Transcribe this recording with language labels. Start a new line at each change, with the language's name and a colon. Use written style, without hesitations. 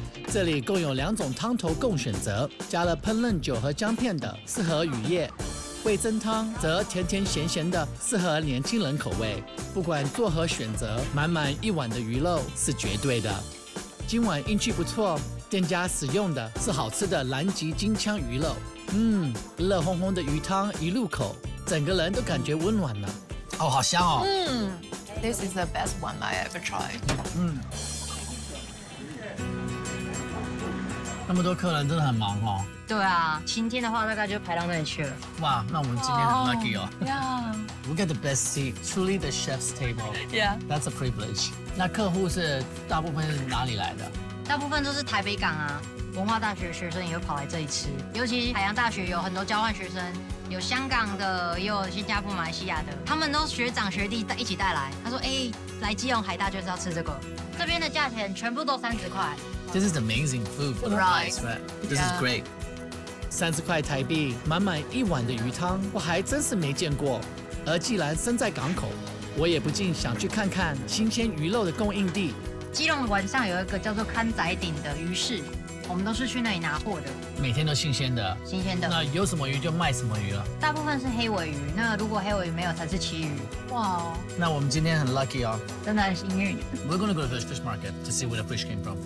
Chinese: 这里共有两种汤头供选择，加了烹饪酒和姜片的适合雨夜，味噌汤则甜甜咸咸的适合年轻人口味。不管作何选择，满满一碗的鱼肉是绝对的。今晚运气不错，店家使用的是好吃的南极金枪鱼肉，热烘烘的鱼汤一入口，整个人都感觉温暖了。哦，好香哦。
English: This is the best one I ever tried.
Chinese: 那么多客人真的很忙哦。对啊，今天的话大概就排到那里去了。哇，那我们今天很
English: lucky
Chinese: 哦。
English: Yeah. We get the best seat, truly the chef's table. Yeah. That's a privilege.
Chinese: 那客户是大部分是哪里来的？大部分都是台北港啊，文化大学学生也会跑来这里吃。尤其海洋大学有很多交换学生，有香港的，也有新加坡、马来西亚的，他们都学长学弟一起带来。他说：“哎，来基隆海大就是要吃这个，这边的价钱全部都30块。”
English: This is amazing food for the price, right? This is great.
Chinese: 30块台币，满满一碗的鱼汤，我还真是没见过。而既然身在港口，我也不禁想去看看新鲜鱼肉的供应地。基隆晚上有一个叫做勘仔顶的鱼市，我们都是去那里拿货的，每天都新鲜的，新鲜的。那有什么鱼就卖什么鱼了。大部分是黑尾鱼，那如果黑尾鱼没有，才是旗鱼。哇、
English: wow.
Chinese: ，那我们今天很
English: lucky
Chinese: 哦，真的很幸运。
English: We're gonna go to the fish market to see where the fish came from.